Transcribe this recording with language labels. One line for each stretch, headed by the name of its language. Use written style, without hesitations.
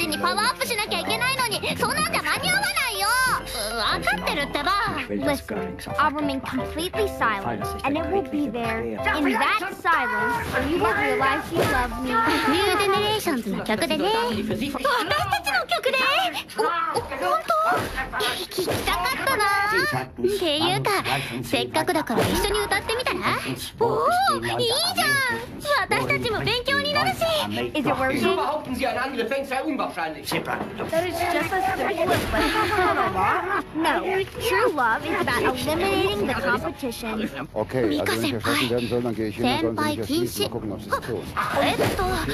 Japanese: までにパワーアップしなきゃいけないのに、そんなんじゃ間に合わないよ。分かってるってば。
English: Listen, I'll remain completely silent, and it will be there in that silence where you will realize you love me.
Japanese: New Generations の曲でね。私たちの曲で？本当？聞きたかったな。っていうか、せっかくだから一緒に歌ってみたら？おお、いいじゃん。私たちも勉強になるし。
English: Is it working?
German: So behaupten Sie, ein anderer Fan sei unwahrscheinlich.
English: That is just as difficult. No, true love is about eliminating the competition.
German: Okay, also wenn ich erschossen werden soll, dann gehe ich hin und sollen sie erschießen und gucken, ob sie es tun.